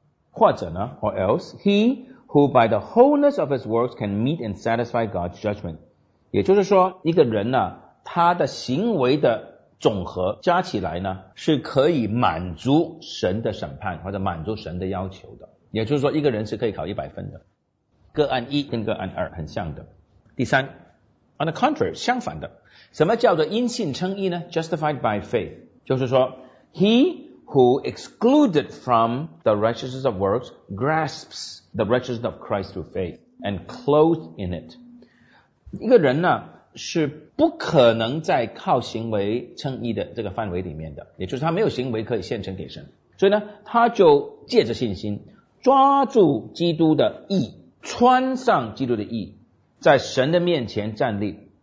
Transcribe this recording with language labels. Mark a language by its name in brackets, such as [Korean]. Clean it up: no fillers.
[Chinese] 或者呢， [English] or else he who by the wholeness of his works can meet and satisfy God's judgment， [Chinese] 也就是说一个人呢，他的行为的总和加起来呢，是可以满足神的审判或者满足神的要求的，也就是说一个人是可以考一百分的。个案一跟个案二很像的。第三， [English] on the contrary， [Chinese] 相反的，什么叫做因信称义呢？ [English] Justified by faith， [Chinese] 就是说 [English] He who excluded from the righteousness of works grasps the righteousness of Christ through faith and clothed in it。 [Chinese] 一个人呢是不可能在靠行为称义的这个范围里面的，也就是他没有行为可以献呈给神，所以呢他就借着信心抓住基督的义，穿上基督的义，在神的面前站立。